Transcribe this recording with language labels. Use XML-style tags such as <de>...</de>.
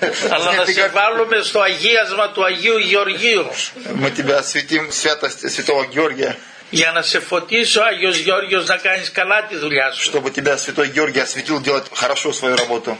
<el>Αλλά να σε βάλουμε στο αγίασμα του Αγίου Γεωργίου.</el> <ru>Мы тебя святим святость святого Георгия.</ru> <el>Για να σε φωτίσει ο Άγιος Γιώργιος να κάνεις καλά τη δουλειά σου.</el> <ru>Чтобы тебя святой Георгий осветил делать хорошо свою работу.</ru>